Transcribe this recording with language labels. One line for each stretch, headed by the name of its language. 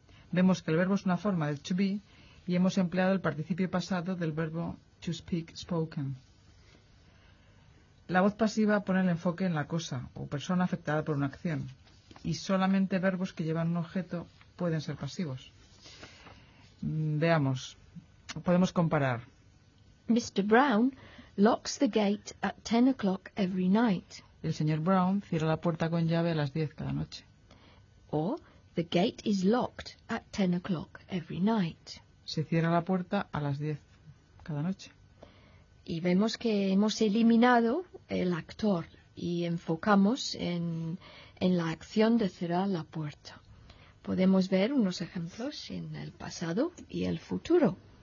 Spanish: Vemos que el verbo es una forma del to be y hemos empleado el participio pasado del verbo to speak spoken. La voz pasiva pone el enfoque en la cosa o persona afectada por una acción. Y solamente verbos que llevan un objeto pueden ser pasivos. Veamos. Podemos comparar.
English: Mr. Brown locks the gate at 10 o'clock every night.
Spanish: El señor Brown cierra la puerta con llave a las 10 cada noche.
English: O the gate is locked at 10 o'clock every night.
Spanish: Se cierra la puerta a las 10 cada noche. Y vemos que hemos eliminado el actor y enfocamos en la acción de cerrar la puerta. Podemos ver unos ejemplos en el pasado y el futuro.